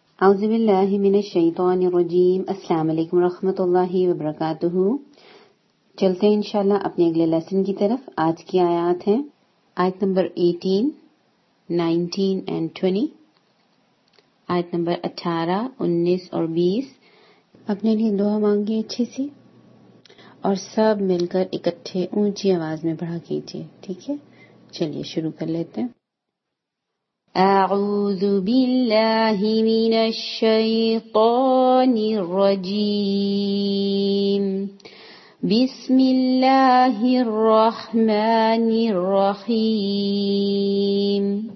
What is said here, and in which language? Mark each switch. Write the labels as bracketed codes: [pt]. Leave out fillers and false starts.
[ar] أعوذ بالله من الشيطان الرجيم. السلام عليكم ورحمة الله وبركاته. [ur] چلتے ہیں انشاءاللہ اپنے اگلے لیسن کی طرف. آج کی آیات ہیں آیت نمبر 18, 19 اینڈ 20, آیت نمبر 18, 19 اور 20. اپنے لیے دعا مانگیے اچھے سے اور سب مل کر اکٹھے اونچی آواز میں پڑھا کیجیے, ٹھیک ہے؟ چلیے شروع کر لیتے ہیں. [ar] أعوذ بالله من الشيطان الرجيم. بسم الله الرحمن الرحيم.